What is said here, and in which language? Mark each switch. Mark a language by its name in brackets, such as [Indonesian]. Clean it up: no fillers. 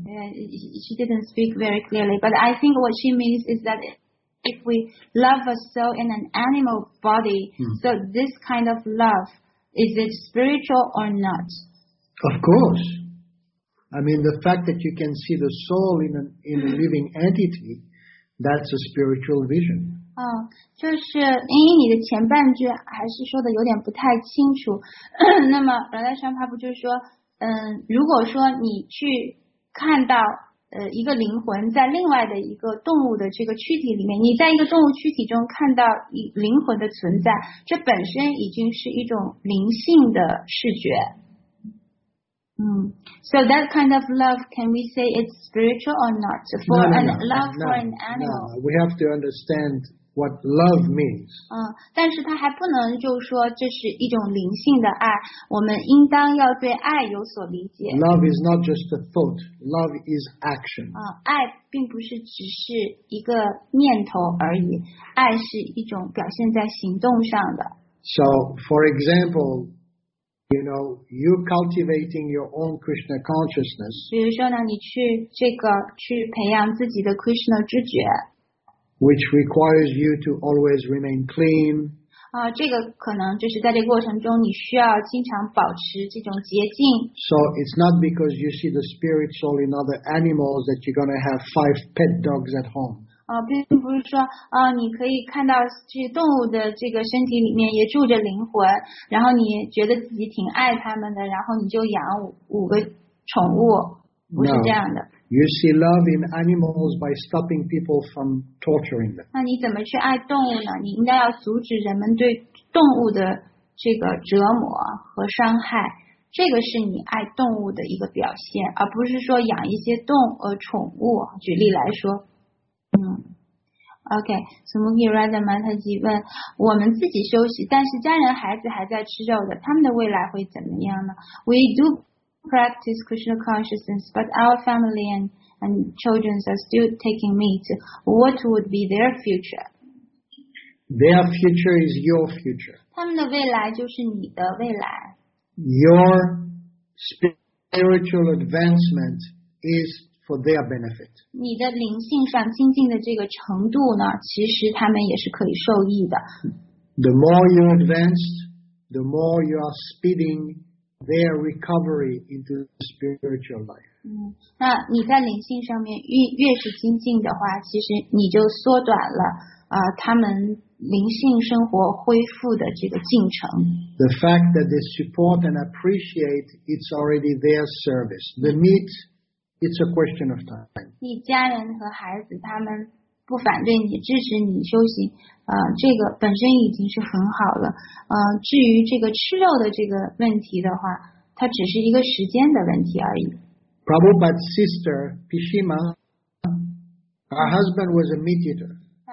[English] She didn't speak very clearly, but I think what she means is that if we love a soul in an animal body, so this kind of love, is it spiritual or not? Of course. I mean, the fact that you can see the soul in a living entity, that's a spiritual vision. [Chinese] 就是英英你的前半句还是说的有点不太清楚。那么拉达山帕布就是说如果说你去看到一个灵魂在另外的一个动物的这个躯体里面，你在一个动物躯体中看到灵魂的存在，这本身已经是一种灵性的视觉。 [English] So that kind of love, can we say it's spiritual or not? For an animal. No, we have to understand what love means. [Chinese] 但是它还不能就说这是一种灵性的爱，我们应当要对爱有所理解。 [English] Love is not just a thought, love is action. [Chinese] 爱并不是只是一个念头而已，爱是一种表现在行动上的。 [English] So, for example,You know, you cultivating your own Krishna consciousness. [Chinese] 比如说呢，你去这个去培养自己的 Krishna 知觉 [English] which requires you to always remain clean. [Chinese] 这个可能就是在这个过程中，你需要经常保持这种洁净。 [English] So it's not because you see the spirit soul in other animals that you're going to have 5 pet dogs at home. [Chinese] 并不是说你可以看到这动物的这个身体里面也住着灵魂，然后你觉得自己挺爱他们的，然后你就养 五个宠物，不是这样的。 [English] No. You see love in animals by stopping people from torturing them. [Chinese] 那你怎么去爱动物呢？你应该要阻止人们对动物的这个折磨和伤害，这个是你爱动物的一个表现，而不是说养一些动物宠物。举例来说。 Sumuki Radha Mataji 问，我们自己休息，但是家人孩子还在吃肉的，他们的未来会怎么样呢？ [English] We do practice Krishna consciousness, but our family and children are still taking meat. What would be their future? Their future is your future. [Chinese] 他们的未来就是你的未来。 [English] Your spiritual advancement is... For their benefit. [Chinese] 你的灵性上精进的这个程度呢，其实他们也是可以受益的。 [English] The more you advance, the more you are speeding their recovery into spiritual life. [Chinese] 那你在灵性上面越是精进的话，其实你就缩短了他们灵性生活恢复的这个进程。 [English] The fact that they support and appreciate it's already their service. The meat. It's a question of time. [Chinese] 你家人和孩子他们不反对你，支持你修行，这个本身已经是很好了。至于这个吃肉的这个问题的话，它只是一个时间的问题而已。 [English] Prabhupada's sister Pishima, her husband was a meat eater.